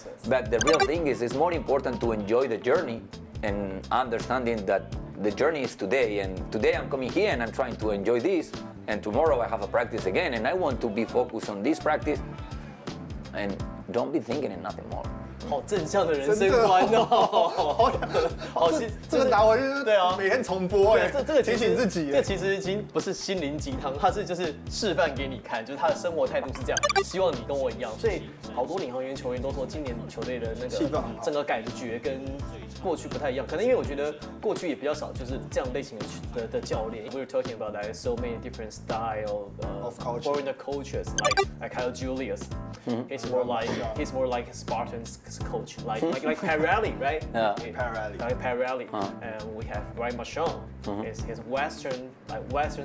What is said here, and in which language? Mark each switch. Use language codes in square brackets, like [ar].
[en] But the real thing is, it's more important to enjoy the journey. And understanding that the journey is today, and today I'm coming here and I'm trying to enjoy this, and tomorrow I have a practice again, and I want to be focused on this practice, and don't be thinking of nothing more. [zh] 好正向的人生观哦，好心，这个拿回去对啊，每天重播哎，这个提醒自己，这其实已经不是心灵鸡汤，它是就是示范给你看，就是他的生活态度是这样，希望你跟我一样。所以好多领航猿球员都说，今年球队的那个气氛，整个感觉跟。过去不太一样，可能因为我觉得过去也比较少，就是这样类型 的教练。 [en] We're talking about like so many different style of culture. Foreign coaches, like Kyle Julius. He's more like Spartan coach, like Pirelli, right? Yeah, okay. Pirelli. Like Pirelli. And we have Ryan Machon. He's Western, like Western